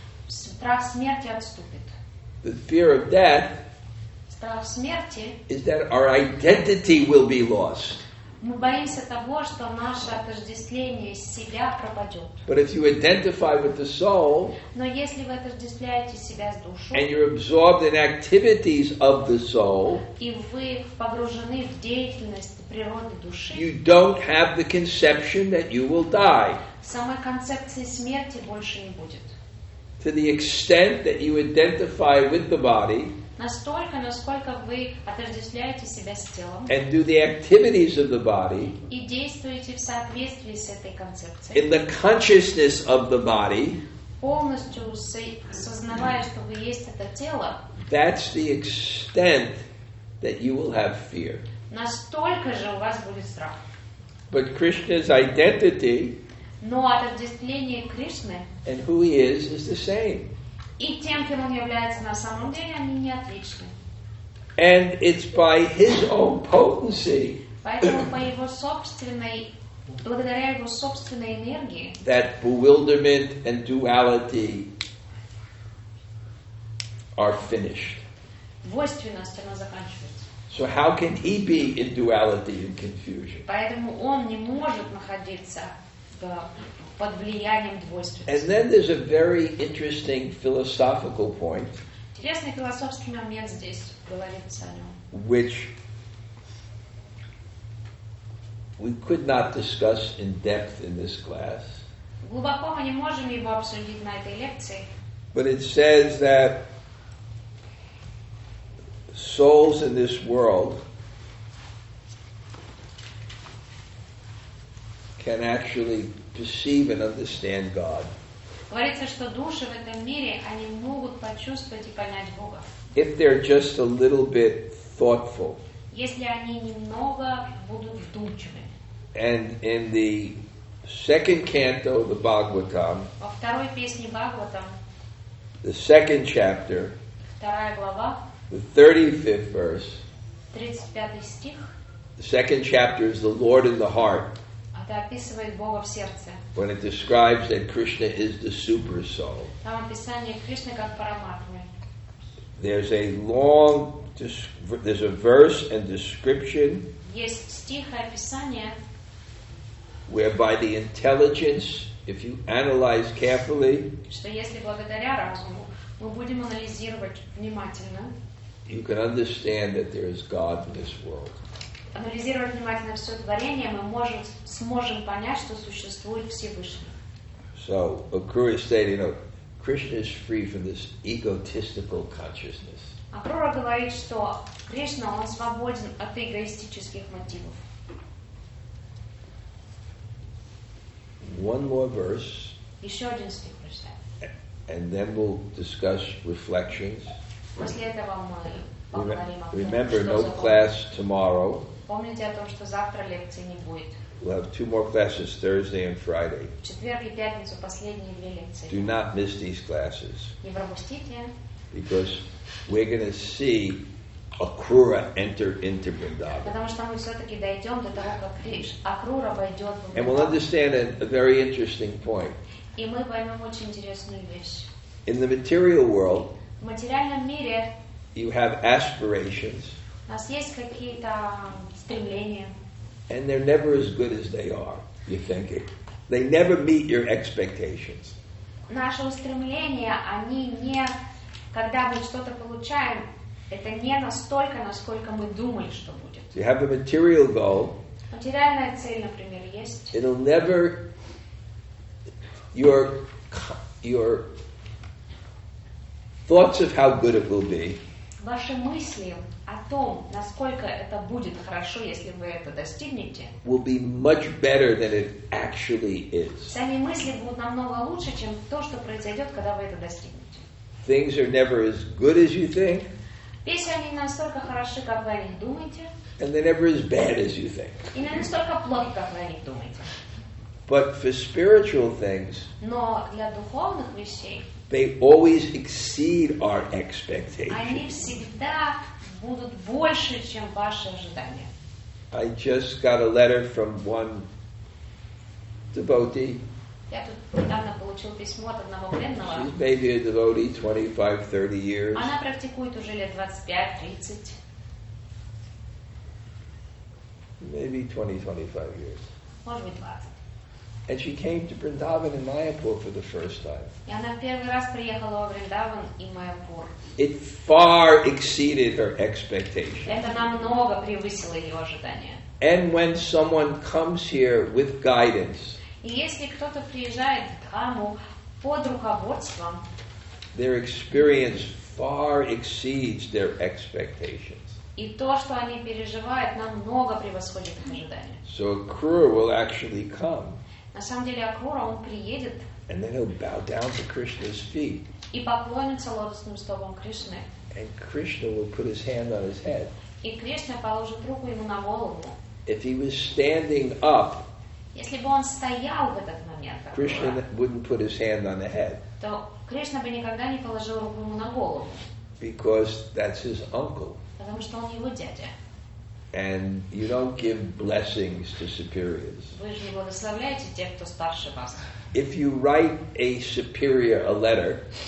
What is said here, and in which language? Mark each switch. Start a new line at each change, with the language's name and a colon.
Russian: Страх смерти отступит.
English: The fear of death,
Russian: страх смерти,
English: is that our identity will be lost.
Russian: Мы боимся того, что наше отождествление с себя пропадет.
English: But if you identify with the soul,
Russian: но если вы отождествляете себя с душой,
English: and you're absorbed in activities of the soul,
Russian: и вы погружены в деятельность природы души,
English: you don't have the conception that you will die.
Russian: Самой концепции смерти больше не будет.
English: To the extent that you identify with the body,
Russian: настолько, насколько вы отождествляете себя с телом
English: and do the activities of the body,
Russian: и действуете в соответствии с этой концепцией,
English: in the consciousness of the body,
Russian: полностью сознавая, что вы есть это тело,
English: that's the extent that you will have fear.
Russian: Настолько же у вас будет страх.
English: But Krishna's identity,
Russian: но отождествление Кришны
English: and who he is the same.
Russian: И тем, кем он является на самом деле, они не отличны.
English: And it's by his own potency,
Russian: поэтому по его собственной, благодаря его собственной энергии,
English: that bewilderment and duality are finished.
Russian: Двойственность, она заканчивается.
English: So how can he be in duality and confusion?
Russian: Поэтому он не может находиться под влиянием двойственности.
English: And then there's a very interesting philosophical point.
Russian: Интересный философский момент здесь говорится о нем.
English: Which we could not discuss in depth in this class.
Russian: Глубоко мы не можем его обсудить на этой лекции.
English: But it says that souls in this world can actually perceive and understand God.
Russian: Говорится, что души в этом мире, они могут почувствовать и понять Бога.
English: If they're just a little bit thoughtful.
Russian: Если они немного будут вдумчивыми.
English: And in the second canto of the Bhagavatam,
Russian: во второй песне Бхагаватам,
English: the second chapter,
Russian: вторая глава,
English: the 35th verse,
Russian: 35 стих,
English: the second chapter is the Lord in the heart.
Russian: Это описывает Бога в сердце.
English: When it describes that Krishna is the super soul.
Russian: Там описание Кришны как параматмы.
English: There's a verse and description.
Russian: Есть стих и описание.
English: Whereby the intelligence if you analyze carefully,
Russian: что если благодаря разуму мы будем анализировать внимательно,
English: you can understand that there is God in this world.
Russian: Анализировать внимательно все творение, мы можем, сможем понять, что существует Всевышний.
English: So, Akur is stating, look, Krishna is free from this egotistical consciousness.
Russian: Акура говорит, что Кришна, он свободен от эгоистических мотивов.
English: One more verse.
Russian: Еще один стих прочитаем.
English: And then we'll discuss reflections.
Russian: После этого мы поговорим о том, что за...
English: Remember, no class tomorrow.
Russian: Помните о том, что завтра лекции не будет.
English: We'll have two more classes Thursday and Friday.
Russian: В четверг и пятницу последние две лекции.
English: Do not miss these classes.
Russian: Не пропустите.
English: Because we're going to see Akrura enter into Vrindavan.
Russian: Потому что мы все-таки дойдем до того, как Акрура войдет в Вриндаван.
English: And we'll understand a very interesting point.
Russian: И мы поймем очень интересную вещь.
English: In the material world,
Russian: в материальном мире,
English: you have aspirations.
Russian: У нас есть какие-то стремления.
English: And they're never as good as they are, you think it. They never meet your expectations.
Russian: Наши устремления, они не... Когда мы что-то получаем, это не настолько, насколько мы думали, что будет.
English: You have a material goal.
Russian: Материальная цель, например, есть.
English: It'll never... Your thoughts of how good it will be.
Russian: Ваши мысли о том, насколько это будет хорошо, если вы это достигнете,
English: will be much better than it actually is.
Russian: Сами мысли будут намного лучше, чем то, что произойдет, когда вы это достигнете.
English: Things are never as good as you think.
Russian: Вещи не настолько хороши, как вы о них думаете.
English: And they're never as bad as you think.
Russian: И не настолько плохи, как вы о них думаете.
English: But for spiritual things,
Russian: но для духовных вещей,
English: they always exceed our expectations.
Russian: Они всегда будут больше, чем ваши ожидания.
English: I just got a letter from one devotee.
Russian: Я тут недавно получил письмо от одного преданного.
English: She's maybe a devotee 25-30 years.
Russian: Она практикует уже лет 25-30.
English: Maybe 20-25 years.
Russian: Может быть 20.
English: And she came to Vrindavan in Mayapur for the first time.
Russian: И она первый раз приехала в Вриндаван и Майяпур.
English: It far exceeded her expectations.
Russian: Это намного превысило ее ожидания.
English: And when someone comes here with guidance,
Russian: и если кто-то приезжает в Дхаму под руководством,
English: their experience far exceeds their expectations.
Russian: И то, что они переживают, намного превосходит их ожидания.
English: So a crew will actually come.
Russian: На самом деле Акрура, он приедет.
English: And then he'll bow down to Krishna's feet.
Russian: И поклонится лотосным стопам Кришны.
English: And Krishna will put his hand on his head.
Russian: И Кришна положит руку ему на голову.
English: If he was standing up,
Russian: если бы он стоял в этот момент, Акрура,
English: Krishna wouldn't put his hand on the head.
Russian: То Кришна бы никогда не положил руку ему на голову.
English: Because that's his uncle.
Russian: Потому что он его дядя.
English: And you don't give blessings to superiors.
Russian: Вы же не благословляете тех, кто старше вас.
English: If you write a superior a letter,